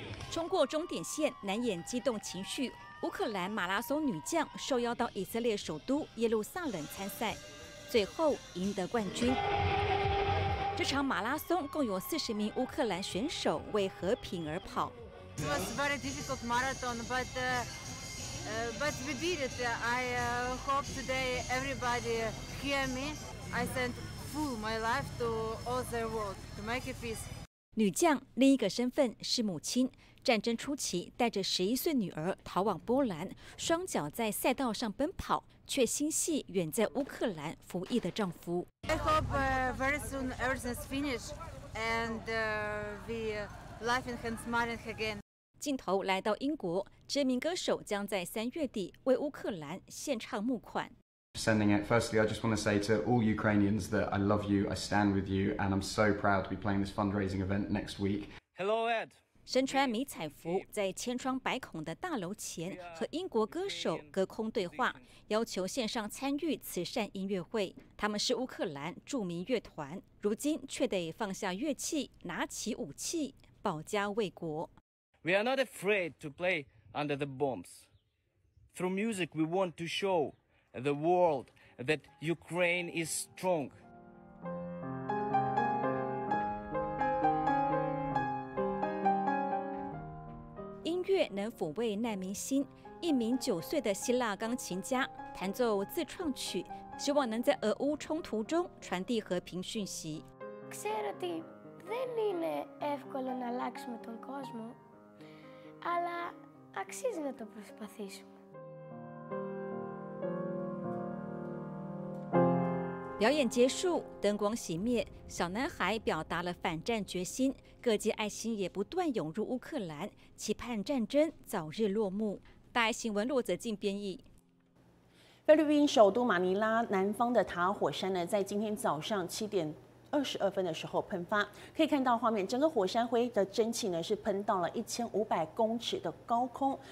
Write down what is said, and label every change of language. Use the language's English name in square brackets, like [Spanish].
[Chinese] 冲过终点线，难掩激动情绪。乌克兰马拉松女将受邀到以色列首都耶路撒冷参赛，最后赢得冠军。这场马拉松共有40名乌克兰选手为和平而跑。 [English] It was very difficult marathon, but we did it. I hope today everybody hear me. I send full my life to all the world to make a peace. [Chinese] 女将另一个身份是母亲。战争初期带着11岁女儿逃往波兰，双脚在赛道上奔跑，却心系远在乌克兰服役的丈夫。 [English] I hope very soon everything's finished and we laughing and smiling again. [Chinese] 镜头来到英国，知名歌手将在3月底为乌克兰献唱募款。 [English] Sending it. Firstly, I just want to say to all Ukrainians that I love you, I stand with you, and I'm so proud to be playing this fundraising event next week. Hello, Ed. [Chinese] 身穿迷彩服，在千疮百孔的大楼前和英国歌手隔空对话，要求线上参与慈善音乐会。他们是乌克兰著名乐团，如今却得放下乐器，拿起武器保家卫国。 [English] We are not afraid to play under the bombs. Through music, we want to show the world that Ukraine is strong. [Chinese] 乐能抚慰难民心，一名9岁的希腊钢琴家弹奏自创曲，希望能在俄乌冲突中传递和平讯息。 [Greek] Ξέρω ότι δεν είναι εύκολο να αλλάξουμε τον κόσμο, αλλά αξίζει να το προσπαθήσουμε. [Chinese] 表演结束，灯光熄灭，小男孩表达了反战决心。各界爱心也不断涌入乌克兰，期盼战争早日落幕。大爱新闻骆泽静编译。菲律宾首都马尼拉南方的塔尔火山呢，在今天早上7:22的时候喷发，可以看到画面，整个火山灰的蒸汽呢是喷到了1500公尺的高空。